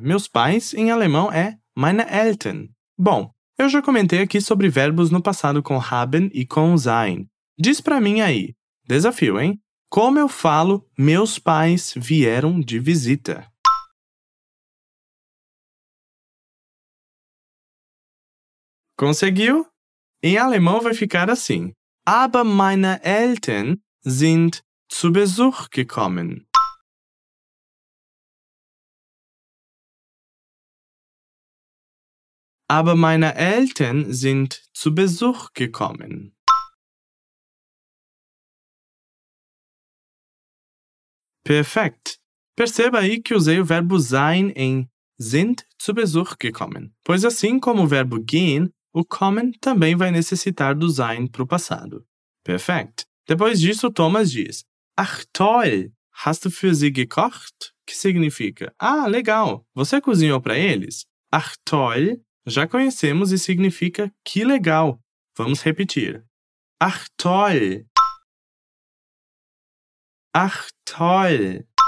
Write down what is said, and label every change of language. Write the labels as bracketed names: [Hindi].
[Portuguese] Meus pais, em alemão, é meine Eltern. Bom, eu já comentei aqui sobre verbos no passado com haben e com sein. Diz pra mim aí. Desafio, hein? Como eu falo meus pais vieram de visita? Conseguiu? Em alemão vai ficar assim. [German] Aber meine Eltern sind zu Besuch gekommen. Aber meine Eltern sind zu Besuch gekommen. [Portuguese] Perfekt. Perceba aí que usei o verbo sein em sind zu Besuch gekommen. Pois assim como o verbo gehen, o kommen também vai necessitar do sein para o passado. [German] Perfekt. [Portuguese] Depois disso, Thomas diz, [German] ach toll, hast du für sie gekocht? [Portuguese] Que significa, ah, legal, você cozinhou para eles? [German] Ach toll. [Portuguese] Já conhecemos e significa que legal. Vamos repetir. [German] Ach toll. Ach toll.